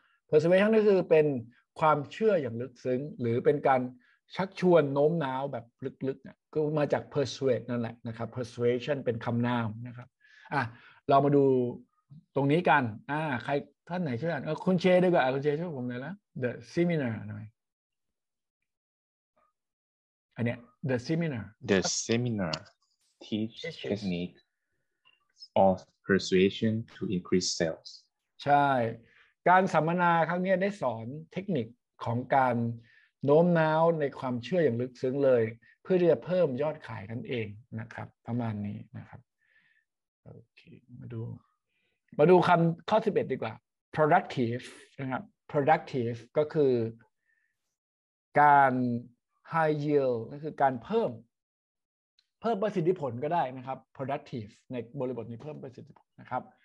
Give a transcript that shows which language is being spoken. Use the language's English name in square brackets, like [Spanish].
[Thai] persuasion ก็คือเป็นความเชื่ออย่างลึกซึ้งหรือเป็นการชักชวนโน้มน้าวแบบลึกๆนะก็มาจาก persuade นั่นแหละนะครับ persuasion เป็นคำนามนะครับอ่ะเรามาดูตรงนี้กันใครท่านไหนช่วยอ่านคุณเชดีกว่าคุณเชช่วยผมหน่อยแล้ว the seminar หน่อยอันเนี้ย the seminar [English] the seminar teach technique of persuasion to increase sales [Thai] ใช่การสัมมนาครั้งนี้ได้สอนเทคนิคของการโน้มน้าวในความเชื่ออย่างลึกซึ้งเลยเพื่อที่จะเพิ่มยอดขายกันเองนะครับประมาณนี้นะครับโอเคมาดูคำข้อ11ดีกว่า productive นะครับ productive ก็คือการ high yield ก็คือการเพิ่มประสิทธิผลก็ได้นะครับ productive ในบริบทนี้เพิ่มประสิทธิผลนะครับ